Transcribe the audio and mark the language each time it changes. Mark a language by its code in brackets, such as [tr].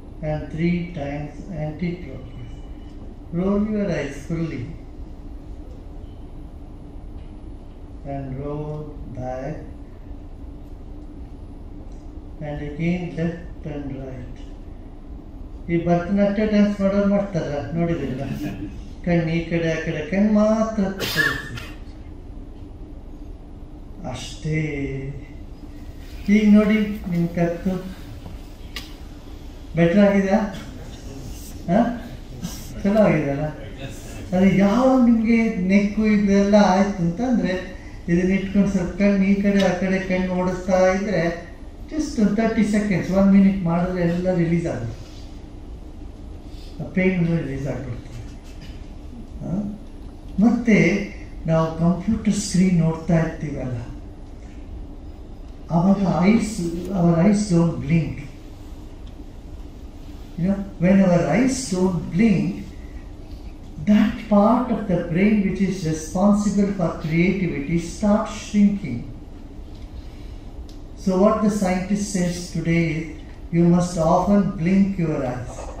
[en] And 3 times anti-clockwise. Roll your eyes fully and roll back and again left and right. [kn] ಈ Bharatanatyam dance ಮಾಡೋರು ಮಾಡ್ತಾರ ನೋಡಿದಿಲ್ಲ ಕಣ್ಣು ಈ ಕಡೆ ಆ ಕಡೆ ಕಣ್ ಮಾತ್ರ ಅಷ್ಟೇ. ಈಗ ನೋಡಿ ನಿಮ್ ಕತ್ತು ಬೆಟರ್ ಆಗಿದೆ ಚಲೋ ಆಗಿದೆಲ್ಲ. ಅದು ಯಾವಾಗ ನಿಮಗೆ ನೆಕ್ಕು ಇದೆಲ್ಲ ಆಯ್ತು ಅಂತಂದರೆ ಇದನ್ನಿಟ್ಕೊಂಡು ಸ್ವಲ್ಪ ಕಣ್ಣು ಈ ಕಡೆ ಆ ಕಡೆ ಕಣ್ಣು ಓಡಿಸ್ತಾ ಇದ್ದರೆ ಜಸ್ಟ್ 30 seconds 1 minute ಮಾಡಿದ್ರೆ ಎಲ್ಲ ರಿಲೀಸ್ ಆಗುತ್ತೆ, ಆ ಪೇನ್ನು ರಿಲೀಸ್ ಆಗ್ಬಿಡ್ತೀವಿ. ಮತ್ತೆ ನಾವು ಕಂಪ್ಯೂಟರ್ ಸ್ಕ್ರೀನ್ ನೋಡ್ತಾ ಇರ್ತೀವಲ್ಲ ಅವಾಗ [en] Our eyes don't blink. You know, when our eyes don't blink, that part of the brain which is responsible for creativity starts shrinking. So what the scientist says today is, you must often blink your eyes.